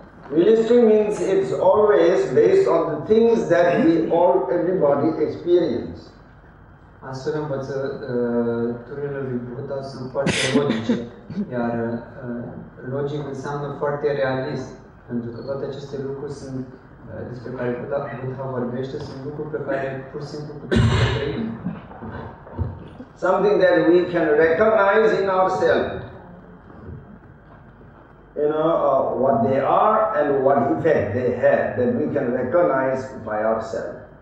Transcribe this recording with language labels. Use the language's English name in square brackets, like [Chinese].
[English] Realistic means it's always based on the things that everybody experience. [Romanian] Astfel învățăturile lui Buddha sunt foarte logice, iar logic înseamnă foarte realist, pentru că toate aceste lucruri sunt despre care Buddha vorbește, sunt lucruri pe care pur și simplu putem să trăim. [English] Something that we can recognize in ourselves, you know, what they are and what effect they have, that we can recognize by ourselves.